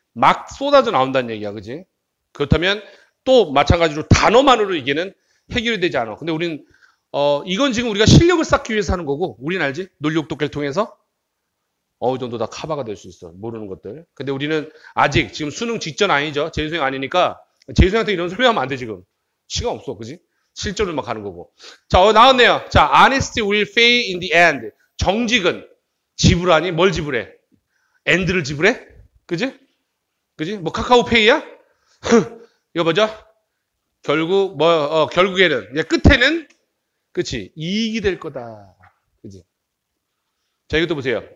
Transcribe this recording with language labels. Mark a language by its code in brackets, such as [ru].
[ko] 막 쏟아져 나온다는 얘기야, 그지? 그렇다면 또 마찬가지로 단어만으로 이게는 해결이 되지 않아. 근데 우리는 이건 지금 우리가 실력을 쌓기 위해서 하는 거고, 우리는 알지? 논리 옥독계를 통해서 어느 정도 다 커버가 될수 있어. 모르는 것들. 근데 우리는 아직 지금 수능 직전 아니죠? 재수생 아니니까 재수생한테 이런 소리 하면 안 돼, 지금. 시간 없어, 그지? 실전으로 막 가는 거고. 자, 나왔네요. [en] 자, honesty will pay in the end. [ko] 정직은 지불하니 뭘 지불해? end를 지불해? 그지? 그지? 뭐 카카오페이야? 이거 보죠. 결국 뭐 결국에는 이제 끝에는 그치? 이익이 될 거다. 그지? 자, 이것도 보세요.